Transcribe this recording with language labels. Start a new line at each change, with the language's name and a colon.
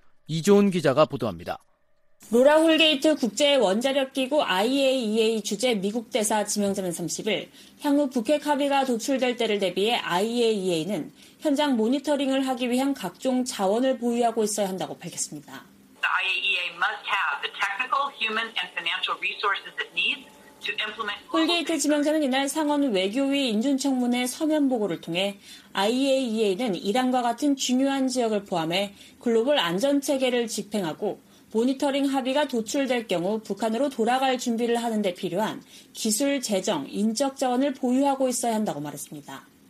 Korean: 이조은 기자가 보도합니다. 로라 홀게이트 국제원자력기구 IAEA 주재 미국 대사 지명자는 30일 향후 북핵 합의가 도출될 때를 대비해 IAEA는 현장 모니터링을 하기 위한 각종 자원을 보유하고 있어야 한다고 밝혔습니다.
English: The IAEA must have the technical, human and financial resources it needs.
Korean: 홀게이트 지명자는 이날 상원 외교위 인준청문회 서면 보고를 통해 IAEA는 이란과 같은 중요한 지역을 포함해 글로벌 안전체계를 집행하고 모니터링 합의가 도출될 경우 북한으로 돌아갈 준비를 하는 데 필요한 기술, 재정, 인적 자원을 보유하고 있어야 한다고 말했습니다.